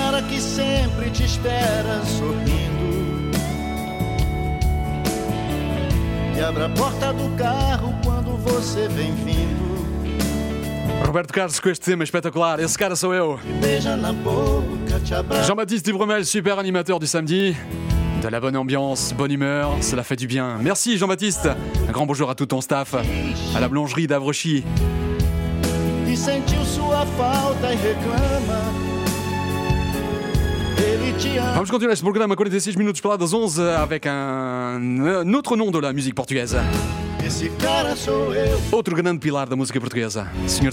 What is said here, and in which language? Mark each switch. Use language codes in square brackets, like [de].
[pt] Que sempre te espera sorrindo, que abre a porta do carro quando você vem vindo. Roberto Carlos com este tema espetacular, esse cara sou eu. Beija na boca, te abraça. [fr] Jean-Baptiste Dubromel, super animateur du samedi. De la bonne ambiance, bonne humeur, cela fait du bien. Merci Jean-Baptiste, un grand bonjour à tout ton staff, à la boulangerie d'Avrochy. [pt] Qui sentiu sua falta et reclama. Vamos continuar este programa 46 minutos para lá das 11 [fr] avec un autre nom de la musique portugaise. [pt] Esse cara sou eu. Outro grande pilar da música portuguesa, Sr.